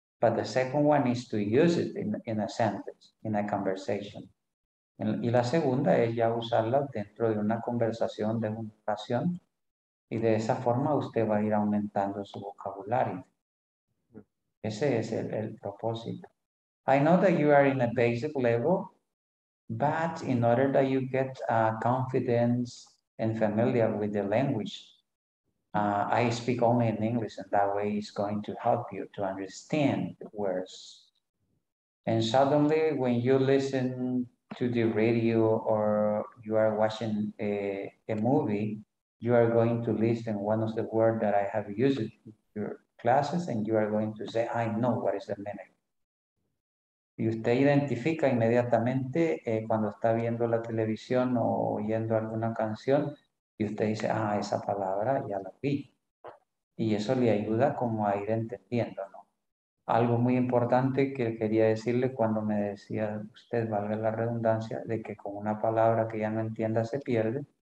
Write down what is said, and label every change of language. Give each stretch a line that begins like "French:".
English: But the second one is to use it in a sentence, in a conversation.
Spanish: Y la segunda es ya usarla dentro de una conversación, de una oración. Y de esa forma usted va a ir aumentando su vocabulario. Ese es el propósito.
English: I know that you are in a basic level, but in order that you get confidence and familiar with the language, I speak only in English, and that way is going to help you to understand the words. And suddenly when you listen to the radio or you are watching a movie, you are going to listen one of the words that I have used in your classes, and you are going to say, I know what is the meaning.
Spanish: Y usted identifica inmediatamente cuando está viendo la televisión o oyendo alguna canción, y usted dice, ah, esa palabra ya la vi. Y eso le ayuda como a ir entendiendo, ¿no? Algo muy importante que quería decirle cuando me decía usted, valga la redundancia, de que con una palabra que ya no entienda se pierde.